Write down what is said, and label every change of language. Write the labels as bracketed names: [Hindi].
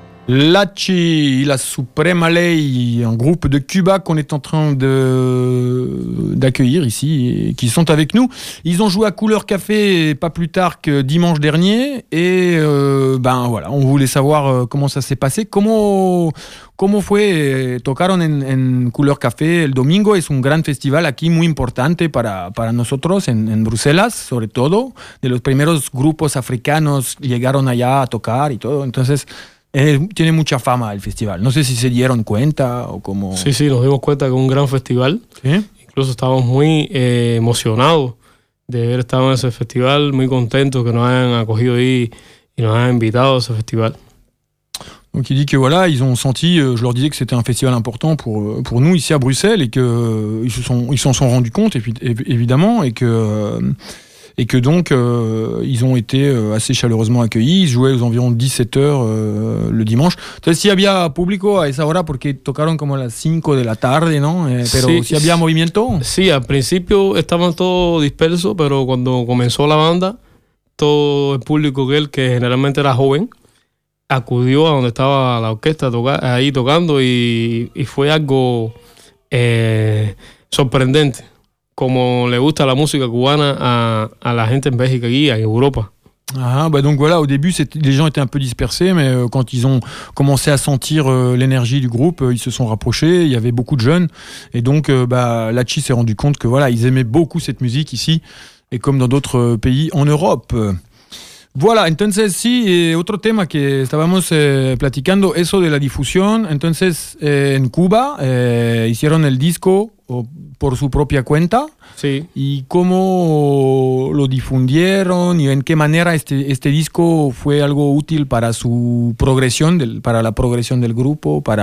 [French] Lachi, la Suprema Ley, un groupe de Cuba qu'on est en train de d'accueillir ici, et qui sont avec nous. Ils ont joué à Couleur Café pas plus tard que dimanche dernier, et ben voilà, on voulait savoir comment ça s'est passé, comment [Spanish] fue tocaron en Couleur Café el domingo. Es un gran festival aquí muy importante para nosotros en Bruselas, sobre todo de los primeros grupos africanos llegaron allá a tocar y todo, entonces. Tiene mucha fama el festival. No sé si se dieron cuenta o cómo. Sí, sí, nos dimos cuenta que es un gran festival. ¿Sí? Incluso estábamos muy emocionados de haber estado en ese festival, muy contentos que nos hayan acogido ahí y nos hayan invitado a ese festival. [French] Donc il dit que voilà, ils ont senti, je leur disais que c'était un festival important pour nous ici à Bruxelles et que ils s'en sont rendu compte évidemment et que donc, ils ont été assez chaleureusement accueillis. Ils jouaient aux environs 17h le dimanche. [Spanish] Entonces, si había público a esa hora, porque tocaron como a las 5 de la tarde, ¿no? Pero sí, si había movimiento. Sí, al principio estaban todos dispersos, pero cuando comenzó la banda, todo el público que generalmente era joven, acudió a donde estaba la orquesta ahí tocando y fue algo sorprendente. Como le gusta la música cubana a la gente en México aquí, en Europa. [French] Ah, bah donc voilà, au début, les gens étaient un peu dispersés, mais quand ils ont commencé à sentir l'énergie du groupe, ils se sont rapprochés, il y avait beaucoup de jeunes, et donc Lachi s'est rendu compte que voilà, ils aimaient beaucoup cette musique ici, et comme dans d'autres pays en Europe. [Spanish] Voilà, entonces sí, otro tema que estábamos platicando, eso de la difusión. Entonces, en Cuba hicieron el disco por su propia cuenta. Sí. ¿Y cómo lo difundieron y en qué manera este disco fue algo útil para su progresión, para la progresión del grupo?